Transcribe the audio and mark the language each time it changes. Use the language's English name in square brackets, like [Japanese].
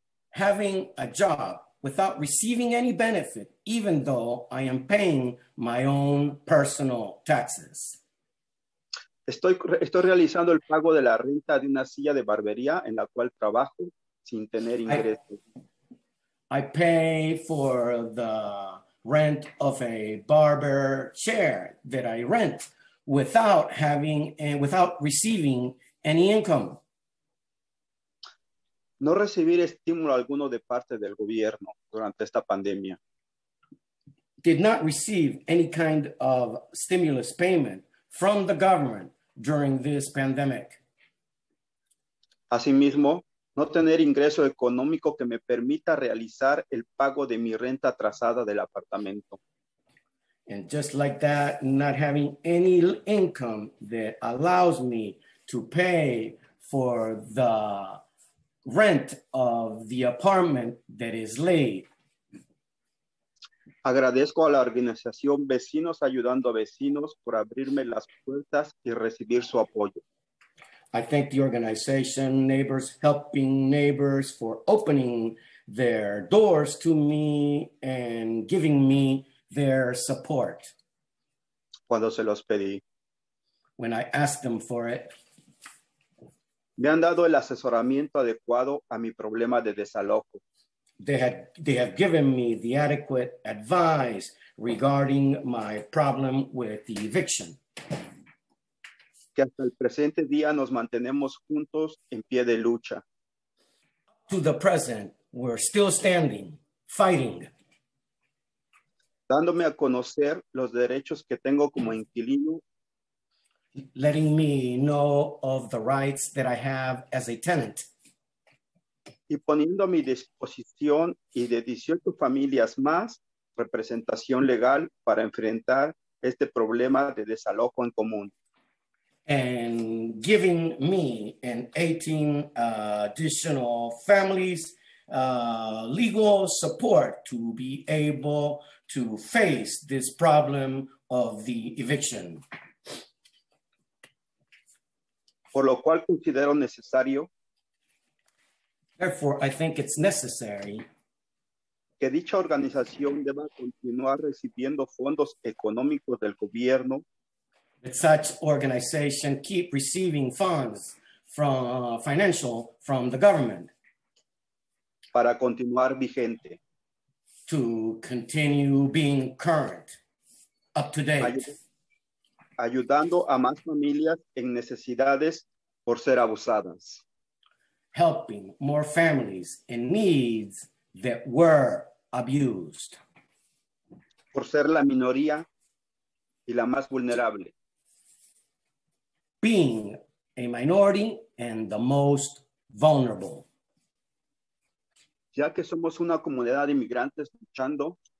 [English] Having a job without receiving any benefit, even though I am paying my own personal taxes. [Spanish] Estoy realizando el pago de la renta de una silla de barbería en la cual trabajo sin tener ingresos. [English] I pay for the rent of a barber chair that I rent without receiving any income. [Spanish] No recibir estímulo alguno de parte del gobierno durante esta pandemia. [English] Did not receive any kind of stimulus payment from the government during this pandemic. [Spanish] Asimismo, no tener ingreso económico que me permita realizar el pago de mi renta atrasada del apartamento. [English] And just like that, not having any income that allows me to pay for the rent of the apartment that is late. [Spanish] Agradezco a la organización Vecinos Ayudando a Vecinos por abrirme las puertas y recibir su apoyo. [English] I thank the organization Neighbors Helping Neighbors for opening their doors to me and giving me their support. [Spanish] Cuando se los pedí. [English] When I asked them for it. [Spanish] Me han dado el asesoramiento adecuado a mi problema de desalojo. [English] They have given me the adequate advice regarding my problem with the eviction. [Spanish] Que hasta el presente día nos mantenemos juntos en pie de lucha. [English] To the present, we're still standing, fighting. [Spanish] Dándome a conocer los derechos que tengo como inquilino. [English] Letting me know of the rights that I have as a tenant. [Spanish] Y poniendo a mi disposición y de 18 familias más representación legal para enfrentar este problema de desalojo en común. [English] And giving me and 18 additional families legal support to be able to face this problem of the eviction. [Spanish] Por lo cual considero necesario. [English] Therefore, I think it's necessary. [Spanish] Que dicha organización deba continuar recibiendo fondos económicos del gobierno. [English] That such organization keep receiving funds from the government. [Spanish] Para continuar vigente. [English] To continue being current, up to date. [Spanish] Ayudando a más familias en necesidades por ser abusadas. [English] Helping more families in needs that were abused. [Spanish] Por ser la minoría y la más vulnerable. [English] Being a minority and the most vulnerable. [Spanish] Ya que somos una comunidad de inmigrantes luchando.